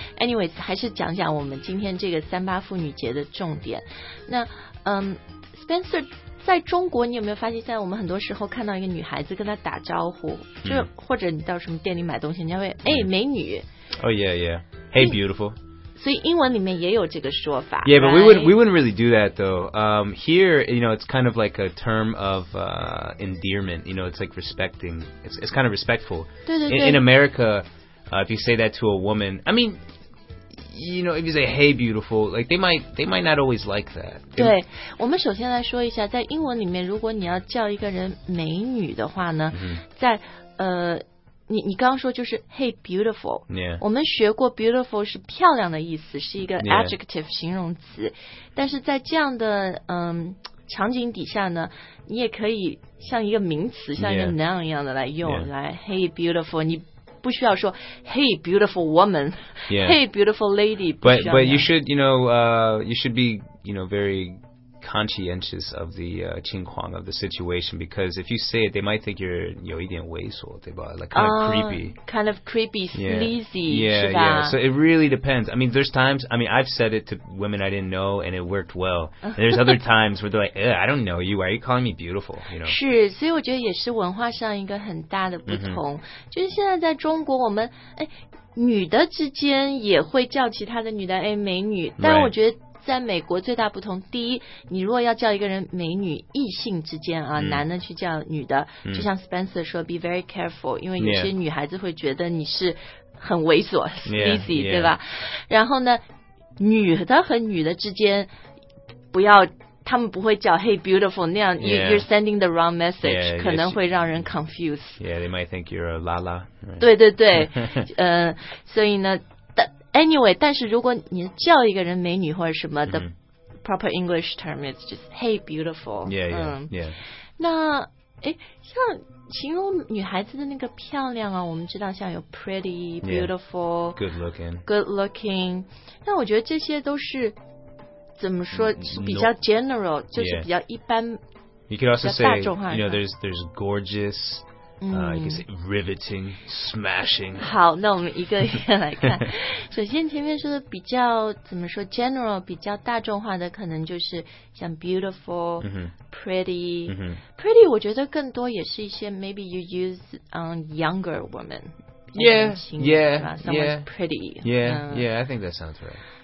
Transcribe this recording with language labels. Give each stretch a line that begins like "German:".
Chinese: Anyways， 还是讲讲我们今天这个三八妇女节的重点。那Spencer， 在中国你有没有发现，在我们很多时候看到一个女孩子跟她打招呼，就或者你到什么店里买东西，人家会哎美女。
English: Oh yeah, yeah. Hey, beautiful.
Chinese: 所以英文里面也有这个说法。
English: Yeah, but we wouldn't really do that though. Here, you know, it's kind of like a term of endearment. You know, it's like respecting. It's kind of respectful.
Chinese: 对对对。
English: In America, if you say that to a woman, I mean. You know, if you say, hey, beautiful, like, they might not always like that.
Chinese: 对，我们首先来说一下，在英文里面，如果你要叫一个人美女的话呢，在你刚刚说就是
English: hey, beautiful. Yeah.
Chinese: 我们学过 beautiful 是漂亮的意思，是一个 adjective 形容词。但是在这样的场景底下呢，你也可以像一个名词，像一个 noun 一样的来用，来 hey, beautiful, 你不需要说
English: hey beautiful woman, yeah. hey beautiful lady, but you should, you know, you should be, you know, very conscientious of the
Chinese: 情况
English: of the situation, because if you say it, they might think you're
Chinese: 有一点猥琐对吧
English: like kind of creepy sleazy, yeah, yeah,
Chinese: 是吧
English: yeah, so it really depends. I mean, there's times, I mean, I've said it to women I didn't know and it worked well, and there's other times where they're like, I don't know you, why are you calling me beautiful, you know?
Chinese: 是，所以我觉得也是文化上一个很大的不同、mm-hmm. 就是现在在中国我们女的之间也会叫其他的女的美女，但我觉得、
English: right.
Chinese: 在美国最大不同，第一，你如果要叫一个人美女，异性之间啊，男的去叫女的，就像 Spencer 说 ，
English: be very careful，
Chinese: 因为有些女孩子会觉得你是很猥琐 ，sleazy， 对吧？然后呢，女的和女的之间，不要，他们不会叫 hey beautiful 那样、
English: yeah.，you're sending the wrong message， yeah,
Chinese: 可能会让人
English: confuse。 Yeah， they might think you're a lala、right?。
Chinese: 对对对，所以呢。
English: Anyway,
Chinese: 但是如果你叫一个人美女或者什么、
English: mm-hmm. the proper English term is just hey beautiful. Yeah, yeah, yeah.
Chinese: 那像形容女孩子的那个漂亮啊，我们知道像有 pretty, beautiful,
English: yeah, good looking, good looking.
Chinese: 那我觉得这些都是怎么说是比较 general,、
English: no.
Chinese: 就是比较一般。
English: You could also say, you know, there's gorgeous. You can say riveting, smashing.
Chinese: 好，那我们一个一个来看。首先前面说的比较怎么说 ，general 比较大众化的，可能就是像 beautiful,、 mm-hmm.
English: pretty,、 mm-hmm. pretty.
Chinese: 我觉得更多也是一些
English: maybe you use younger woman. Yeah, pretty. Yeah, I think that sounds right.